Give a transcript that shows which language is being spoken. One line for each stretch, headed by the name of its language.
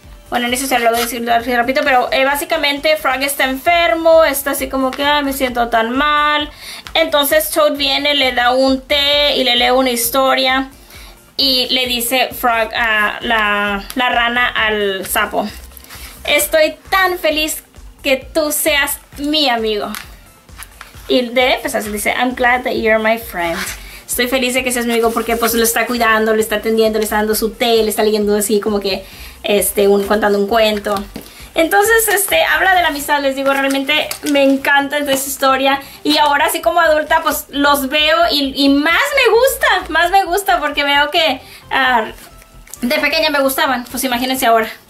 Spanish: Bueno, en ese se lo voy a decir así rápido, pero básicamente Frog está enfermo, está así como que, ay, me siento tan mal. Entonces Toad viene, le da un té y le lee una historia y le dice Frog a la rana al sapo, estoy tan feliz que tú seas mi amigo.
English: Y de empezar se dice, I'm glad that you're my friend.
Spanish: Estoy feliz de que seas mi amigo porque pues lo está cuidando, lo está atendiendo, le está dando su té, le está leyendo así como que contando un cuento. Entonces habla de la amistad, les digo, realmente me encanta esa historia. Y ahora así como adulta pues los veo y más me gusta porque veo que de pequeña me gustaban, pues imagínense ahora.